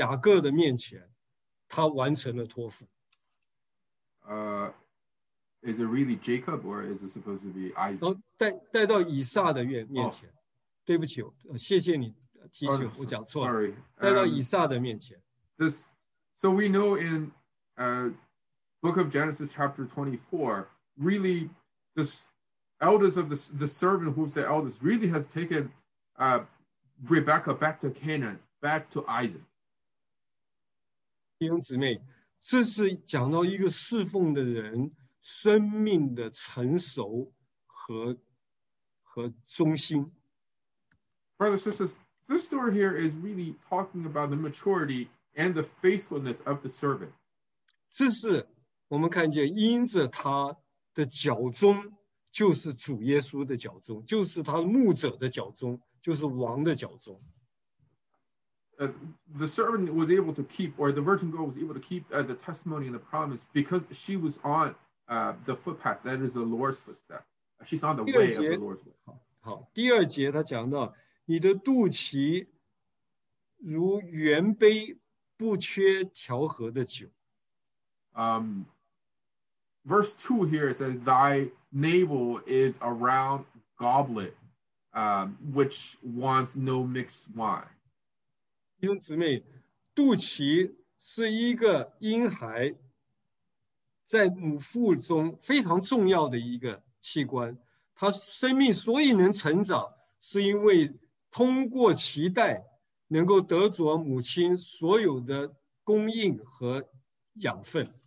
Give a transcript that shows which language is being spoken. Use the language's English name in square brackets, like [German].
[Chinese] 弟兄姊妹，我们读创世纪24章，那个老仆人后来真的把利百加带回到迦南地，带到雅各的面前，他完成了托付。 [English] Is it really Jacob, or is it supposed to be Isaac? [Chinese] 带到以撒的面前。对不起，谢谢你提醒，我讲错了。带到以撒的面前。 [English] This, so we know in Book of Genesis chapter 24, really this elders of the servant who's the eldest really has taken Rebekah back to Canaan, back to Isaac. [Chinese] 弟兄姊妹，这是讲到一个侍奉的人生命的成熟和忠心。 [English] Brothers and sisters, this story here is really talking about the maturity and the faithfulness of the servant. [Chinese] 这是我们看见因着他的脚中就是主耶稣的脚中就是他牧者的脚中就是王的脚中。 [English] The servant was able to keep, or the virgin girl was able to keep the testimony and the promise because she was on the footpath, that is the Lord's footstep. She's on the way of the Lord's way. [Chinese] 好，第二节他讲到，你的肚脐如圆杯，不缺调和的酒。 [English] Verse 2 here says, thy navel is a round goblet, which wants no mixed wine. [Chinese] 弟兄姊妹，肚脐是一个婴孩在母腹中非常重要的一个器官，他生命所以能成长，是因为通过脐带能够得着母亲所有的供应和养分。